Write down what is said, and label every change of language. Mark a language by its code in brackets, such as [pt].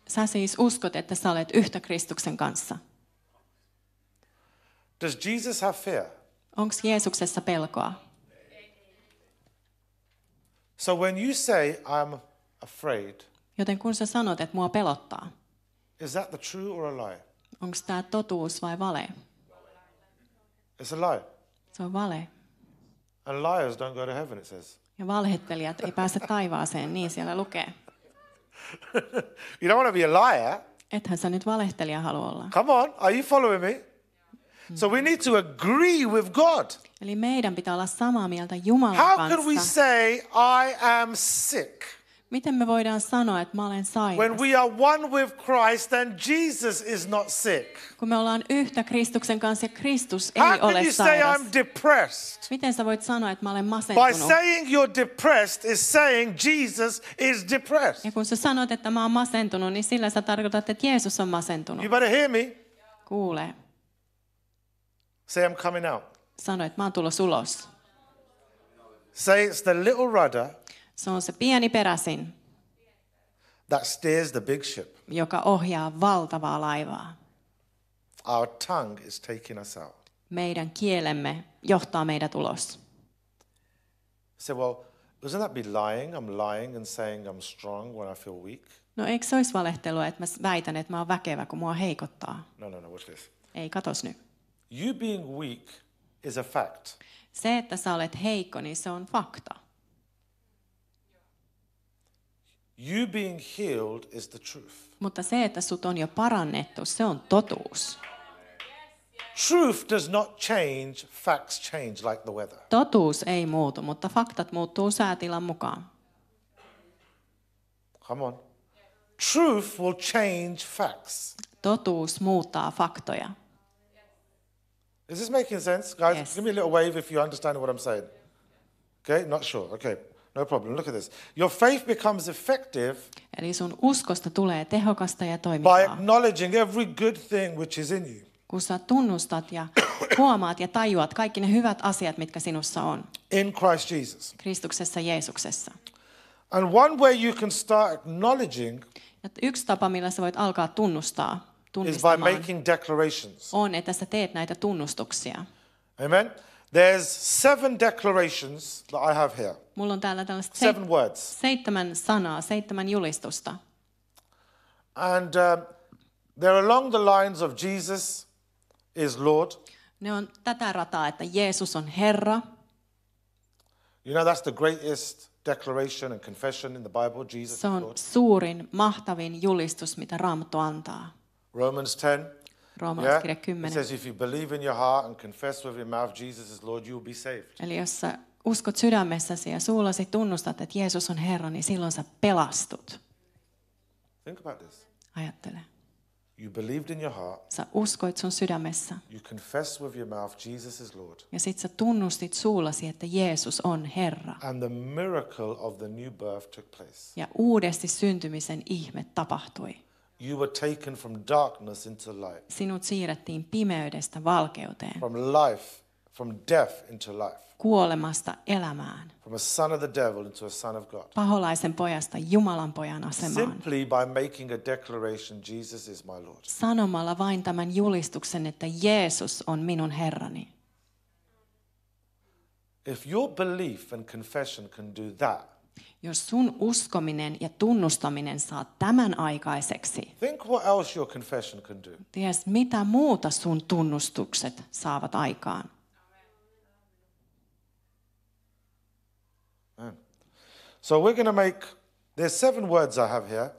[fi] Sä siis uskot, että sä olet yhtä Kristuksen kanssa. [en] Does Jesus have fear? [fi] Onks Jeesuksessa pelkoa? [en] So when you say I'm afraid. [fi] Joten kun sä sanot, että mua pelottaa. [en] Is that the true or a lie? [fi] Onks tää totuus vai vale? [en] It's a lie. [fi] Se on vale. [en] And liars don't go to heaven, it says. [fi] Ja valhettelijat ei pääse taivaaseen, niin siellä lukee. [en] You don't want to be a liar. [fi] Ethän sä nyt valehtelija halua olla. [en] Come on, are you following me? So we need to agree with God. [fi] Eli meidän pitää olla samaa mieltä Jumalan [en] How [fi] kanssa. [en] How can we say I am sick? [fi] Miten me voidaan sanoa, että mä olen sairas? [en] When we are one with Christ and Jesus is not sick. [fi] Kun me ollaan yhtä Kristuksen kanssa ja Kristus ei [en] How [fi] ole sairas. [en] How can you say I'm depressed? [fi] Miten sä voit sanoa, että mä olen masentunut? [en] By saying you're depressed is saying Jesus is depressed. [fi] Ja kun sä sanot, että mä olen masentunut, niin sillä sä tarkoitat, että Jeesus on masentunut. [en] You better hear me. [fi] Kuule. [en] Say I'm coming out. [fi] sanoi, että mä oon tullut ulos. [en] Say it's the little rudder. [fi] Se on se pieni peräsin. [en] That steers the big ship. [fi] Joka ohjaa valtavaa laivaa. [en] Our tongue is taking us out. [fi] Meidän kielemme johtaa meidät ulos. [en] So well, doesn't that be lying? I'm lying and saying I'm strong when I feel weak. [fi] No, eikö se olisi valehtelua, että mä väitän, että mä oon väkevä, kun mua heikottaa? [en] No, watch this. [fi] Ei, katos nyt. [en] You being weak is a fact. [fi] Se, että sä olet heikko, niin se on fakta. [en] You being healed is the truth. [fi] Mutta se, että sut on jo parannettu, se on totuus. [en] Truth does not change, facts change like the weather. [fi] Totuus ei muutu, mutta faktat muuttuu säätilan mukaan. [en] Come on. Truth will change facts. [fi] Totuus muuttaa faktoja. [en] Is this making sense, guys? Yes. Give me a little wave if you understand what I'm saying. Okay, not sure. Okay, no problem. Look at this. Your faith becomes effective. [fi] Eli sun uskosta tulee tehokasta ja toimivaa. [en] By acknowledging every good thing which is in you. [fi] Kun sä tunnustat ja huomaat ja tajuat kaikki ne hyvät asiat, mitkä sinussa on. [en] In Christ Jesus. [fi] Kristuksessa Jeesuksessa. [en] And one way you can start acknowledging. [fi] Yksi tapa, millä sä voit alkaa tunnustaa. [en] Is by making declarations. [fi] On, että sä teet näitä tunnustuksia. [en] Amen. There's 7 declarations that I have here. [fi] Mulla on täällä tällaiset [en] 7 words. [fi] 7 sanaa, 7 julistusta. [en] And they're along the lines of Jesus is Lord. [fi] Ne on tätä rataa, että Jeesus on Herra. [en] You know, that's the greatest declaration and confession in the Bible, Jesus is Lord. [fi] Se on suurin, mahtavin julistus, mitä Raamattu antaa. [en] Romans 10. [fi] Roomalaiskirja 10. [en] It says if you believe in your heart and confess with your mouth Jesus is Lord, you'll be saved. [fi] Eli jos sä uskot sydämessäsi ja suullasi tunnustat, että Jeesus on Herra, niin silloin sä pelastut. [en] Think about this. [fi] Ajattele. [en] You believed in your heart. [fi] Sä uskoit sun sydämessä. [en] You confess with your mouth Jesus is Lord. [fi] Ja sit sä tunnustit suullasi, että Jeesus on Herra. [en] And the miracle of the new birth took place. [fi] Ja uudesti syntymisen ihme tapahtui. [en] You were taken from darkness into light. [fi] Sinut siirrettiin pimeydestä valkeuteen. [en] From life, from death into life. [fi] Kuolemasta elämään. [en] From a son of the devil into a son of God. [fi] Paholaisen pojasta Jumalan pojan asemaan. [en] Simply by making a declaration, Jesus is my Lord. [fi] Sanomalla vain tämän julistuksen, että Jeesus on minun Herrani. [en] If your belief and confession can do that. [fi] Jos sun uskominen ja tunnustaminen saa tämän aikaiseksi. [en] Think what else your confession can do. [fi] Ties mitä muuta sun tunnustukset saavat aikaan. [en] So we're going to make there's 7 words I have here.